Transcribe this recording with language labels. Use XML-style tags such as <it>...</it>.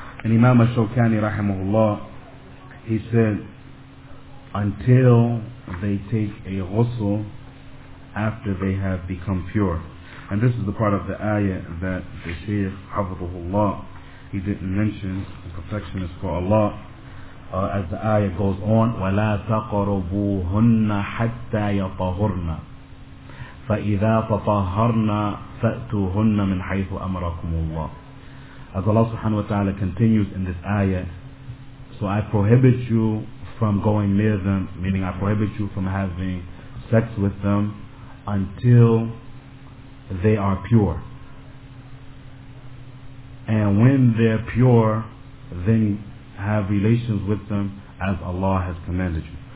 <en>And Imam Ash-Shawkani rahimahullah, he said, until they take a ghusl after they have become pure. And this is the part of the ayah that the Shaykh hafidhahullah, he didn't mention, the perfection is for Allah. As the ayah goes on,</en> <ar>وَلَا تَقَرُبُوهُنَّ حَتَّى يَطَهُرْنَا فَإِذَا تَطَهَرْنَا فَأْتُوهُنَّ مِنْ حَيْثُ أَمَرَكُمُ اللَّهُ.</ar> <en>As Allah subhanahu wa ta'ala continues in this ayah, so I prohibit you from going near them, meaning I prohibit you from having sex with them until they are pure. And when they're pure, then have relations with them as Allah has commanded you.</en>